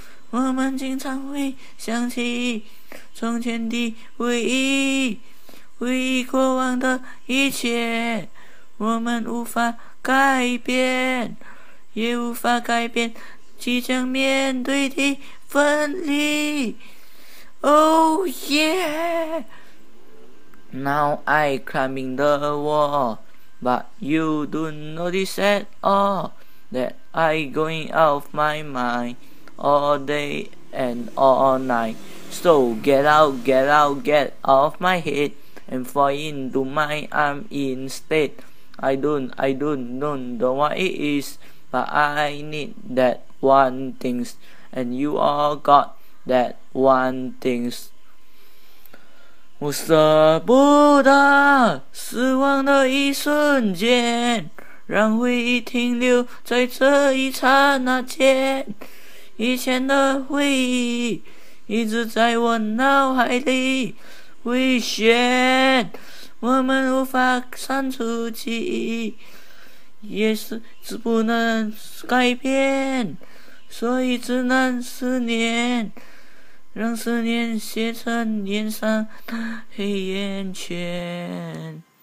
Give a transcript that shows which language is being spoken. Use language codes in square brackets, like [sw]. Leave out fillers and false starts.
[zh] 我们经常会想起从前的回忆，回忆过往的一切，我们无法改变，也无法改变即将面对的分离。 [en] Oh yeah! Now I'm climbing the wall, but you don't notice at all that I'm going out of my mind all day and all night. So get out, get out, get off my head and fall into my arm instead. I don't know what it is, but I need that one thing, and you all got that one thing. [zh] 我舍不得失望的一瞬间，让回忆停留在这一刹那间。以前的回忆一直在我脑海里回旋，我们无法删除记忆，也是不能改变，所以只能思念，让思念写成脸上黑眼圈。